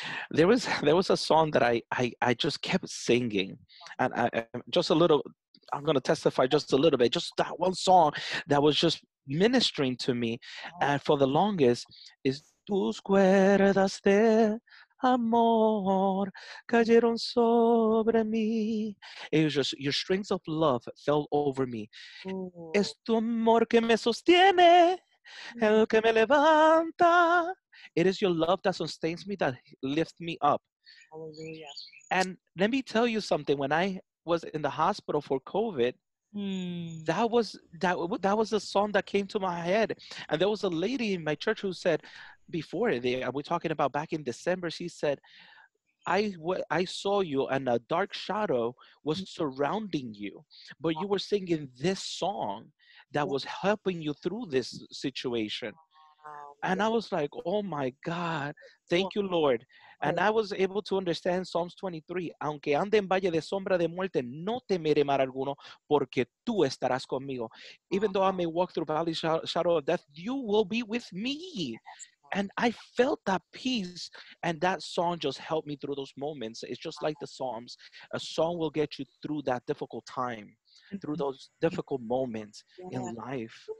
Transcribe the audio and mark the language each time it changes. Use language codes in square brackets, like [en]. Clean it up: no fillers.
[en] there was a song that I just kept singing, and I'm going to testify just a little bit, just that one song that was just ministering to me, and for the longest, is [es] Tus cuerdas de amor cayeron sobre mí. [en] It was just your strings of love fell over me. Ooh. [es] Es tu amor que me sostiene, el que me levanta. [en] It is your love that sustains me, that lifts me up. Hallelujah. And let me tell you something. When I was in the hospital for COVID, That was a song that came to my head. And there was a lady in my church who said, before, we're talking about back in December, she said, I saw you and a dark shadow was surrounding you, but you were singing this song that was helping you through this situation. And I was like, oh my God, thank you, Lord. And I was able to understand Psalms 23. [es] Aunque ande en valle de sombra de muerte, no temeré mal alguno, porque tú estarás conmigo. [en] Even though I may walk through valley shadow of death, you will be with me. And I felt that peace, and that song just helped me through those moments. It's just like the Psalms. A song will get you through that difficult time, through those difficult moments in life.